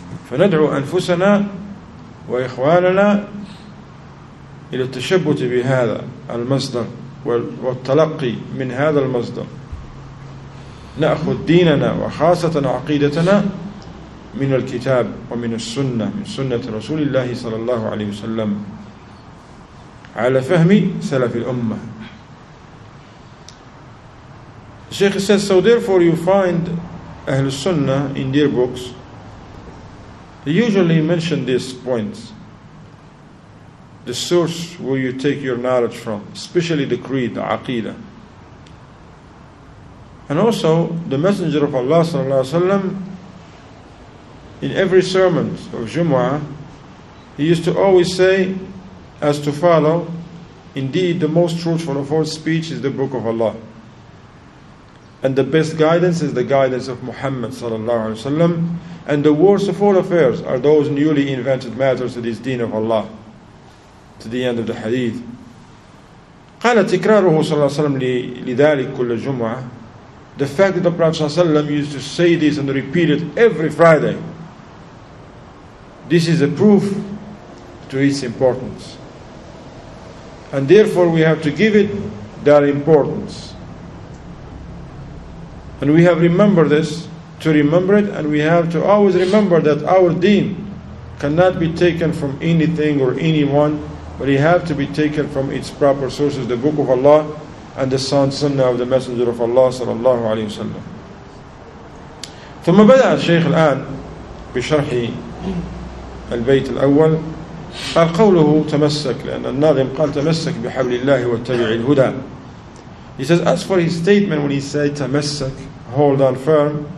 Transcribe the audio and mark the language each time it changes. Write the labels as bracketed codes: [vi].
[ar] فندعو أنفسنا وإخواننا إلى التشبت بهذا المصدر والتلقي من هذا المصدر، نأخذ ديننا وخاصة عقيدتنا من الكتاب ومن السنة، من سنة رسول الله صلى الله عليه وسلم على فهم سلف الأمة. [en] Sheikh says, so therefore you find Ahl Sunnah in their books, they usually mention these points, the source where you take your knowledge from, especially the creed, the aqidah. And also the Messenger of Allah صلى الله عليه وسلم, in every sermon of Jumu'ah, he used to always say as to follow, indeed the most truthful of all speech is the book of Allah. And the best guidance is the guidance of Muhammad sallallahu alaihi wasallam, and the worst of all affairs are those newly invented matters to this deen of Allah. To the end of the hadith. [ar] قال تكراره صلى الله عليه وسلم لذلك كل جمعة. [en] The fact that the Prophet sallallahu alaihi wasallam used to say this and repeat it every Friday. This is a proof to its importance. And therefore we have to give it that importance. And we have remembered this, to remember it, and we have to always remember that our deen cannot be taken from anything or anyone, but it has to be taken from its proper sources, the Book of Allah and the Sunnah of the Messenger of Allah sallallahu alayhi wa sallam. [ar] ثم بدأ الشيخ الآن بشرح البيت الأول. قال قوله تمسك، لأن الناظم قال تمسك بحبل الله واتبع الهدى. [en] He says, as for his statement when he said [ar] تمسك، [en] hold on firm.